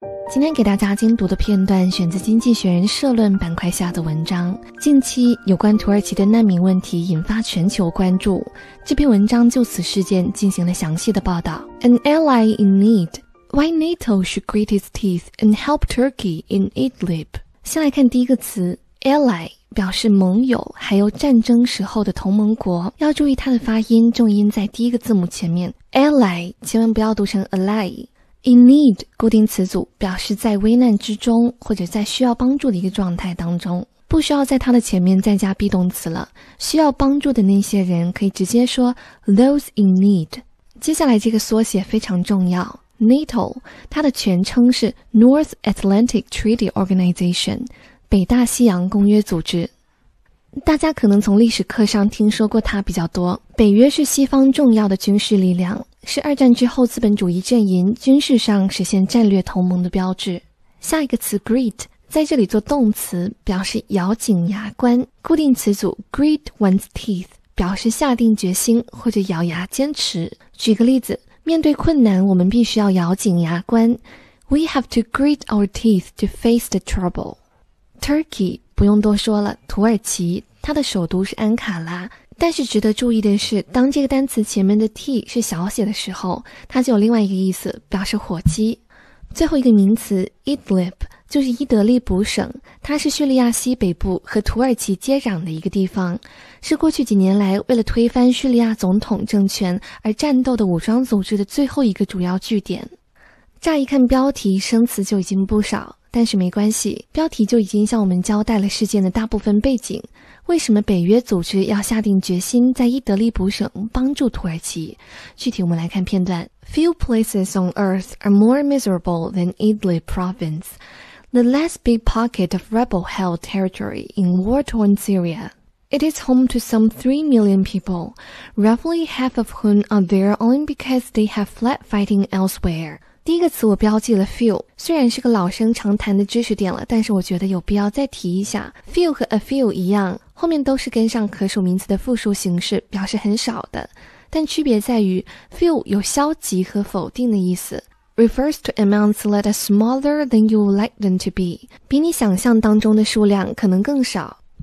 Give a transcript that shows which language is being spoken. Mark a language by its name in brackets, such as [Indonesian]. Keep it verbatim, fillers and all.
[Chinese] 今天给大家精读的片段选自《经济学人》社论板块下的文章。近期有关土耳其的难民问题引发全球关注，这篇文章就此事件进行了详细的报道。 [English] An ally in need, why NATO should grit its teeth and help Turkey in Idlib. [Chinese] 先来看第一个词 ally。表示盟友，还有战争时候的同盟国，要注意它的发音，重音在第一个字母前面。 ally 千万不要读成 ally。 in need 固定词组表示在危难之中，或者在需要帮助的一个状态当中，不需要在它的前面再加 be 动词了。需要帮助的那些人可以直接说 those in need。接下来这个缩写非常重要。 [English] NATO 它的全称是 North Atlantic Treaty Organization。 [Chinese] 北大西洋公约组织，大家可能从历史课上听说过它比较多。北约是西方重要的军事力量，是二战之后资本主义阵营军事上实现战略同盟的标志。下一个词 grit 在这里做动词，表示咬紧牙关。固定词组 grit one's teeth 表示下定决心或者咬牙坚持。举个例子，面对困难我们必须要咬紧牙关。 [English] We have to grit our teeth to face the trouble。 [Chinese] Turkey 不用多说了，土耳其，它的首都是安卡拉。但是值得注意的是，当这个单词前面的 t 是小写的时候，它就有另外一个意思，表示火鸡。最后一个名词 Idlib 就是伊德利卜省，它是叙利亚西北部和土耳其接壤的一个地方，是过去几年来为了推翻叙利亚总统政权而战斗的武装组织的最后一个主要据点。乍一看标题，生词就已经不少。但是没关系，标题就已经向我们交代了事件的大部分背景。为什么北约组织要下定决心在伊德利卜省帮助土耳其？具体我们来看片段。 [English] Few places on earth are more miserable than Idlib province, the last big pocket of rebel-held territory in war-torn Syria. It is home to some three million people, roughly half of whom are there only because they have fled fighting elsewhere. [Chinese] 第一个词我标记了 few， 虽然是个老生常谈的知识点了，但是我觉得有必要再提一下。 few 和 a few 一样，后面都是跟上可数名词的复数形式，表示很少的。但区别在于 few 有消极和否定的意思， [English] refers to amounts that are smaller than you would like them to be， [Chinese] 比你想象当中的数量可能更少。